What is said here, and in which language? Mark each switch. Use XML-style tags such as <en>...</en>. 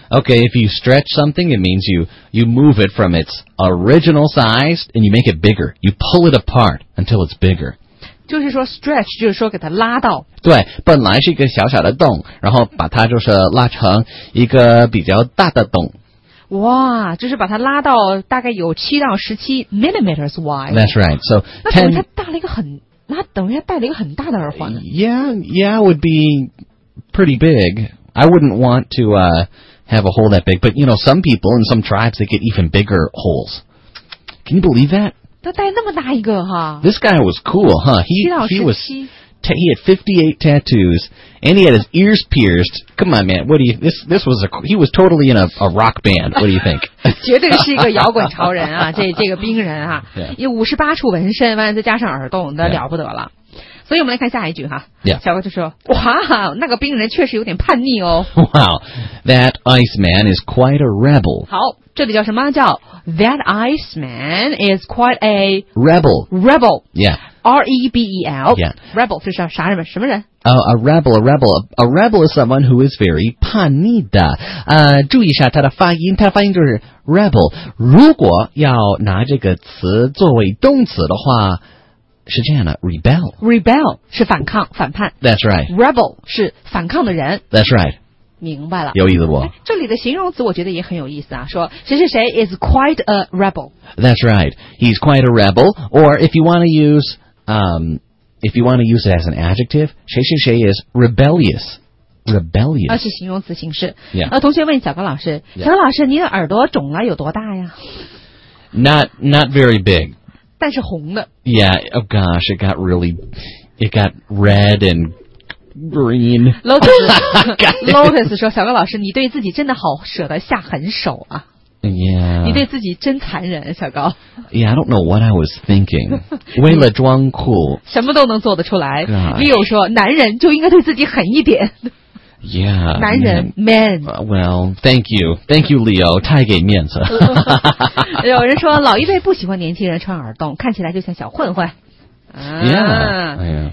<en>Okay, if you stretch something, it means you move it from its original size and you make it bigger. You pull it apart until it's bigger.</en> <zh>就是说 stretch 就是说给它拉到对本来是一个小小的洞然后把它就是拉成一个比较大的洞哇就是把它拉到大概有7到17 millimeters wide</zh> <en>That's right so,</en> <zh>那等于它带了一个很那等于它带了一个很大的耳环</zh> <en>Yeah would be pretty big I wouldn't want to have a hole that big But you know some people in some tribes they get even bigger holes Can you believe that?</en> <zh>他带那么大一个哈</zh> <en>This guy was cool, huh? He had 58 tattoos, and he had his ears pierced. Come on, man, he was totally in a rock band. What do you think?</en> <zh>绝对是一个摇滚潮人啊，这个冰人啊，有 58处纹身，完了再加上耳洞，那了不得了。所以我们来看下一句哈，</zh> <en>yeah.</en> <zh>小哥就说，哇，那个冰人确实有点叛逆哦。</zh> <en>Wow, that Iceman is quite a rebel.</en> <zh>好，这里叫什么？叫</zh> <en>that Iceman is quite a rebel. Rebel. Yeah. R-E-B-E-L. Yeah.</en> <zh>Rebel 是啥什么什么人？</zh> <en>A rebel, a rebel. A rebel is someone who is very 叛逆的。</en> <zh>注意一下他的发音，他的发音就是 rebel。如果要拿这个词作为动词的话。是这样的 rebel. Rebel 是反抗反叛。</zh> <en>That's right.</en> <zh>Rebel 是反抗的人。</zh> <en>That's right.</en> <zh>明白了，有意思不？这里的形容词我觉得也很有意思啊，说谁谁谁 is quite a rebel.</zh> <en>That's right. He's quite a rebel. Or if you want to use, if you want to use it as an adjective, 谁谁谁 is rebellious. Rebellious.</en> <zh>是形容词形式。</zh> <en>Yeah.</en> <zh>同学问小高老师、</zh> <en>yeah.</en> <zh>小高老师你的耳朵肿了有多大呀</zh> <en>not very big.</en> <zh>但是红的。</zh> <en>Yeah, oh gosh, it got red and green.</en> <zh>Lotus 说小高老师你对自己真的好舍得下狠手啊。</zh> <en>Yeah.</en> <zh>你对自己真残忍小高。</zh> <en>Yeah, I don't know what I was thinking.</en> <zh>为了装酷。什么都能做得出来。</zh> <en>Leo</en> <zh>说男人就应该对自己狠一点。</zh> <en>Yeah,</en> <zh>男人 man.</zh> <en>Well, thank you, Leo.</en> <zh>太给面子。有人说老一辈不喜欢年轻人穿耳洞，看起来就像小混混。啊、</zh> <en>yeah, yeah.</en>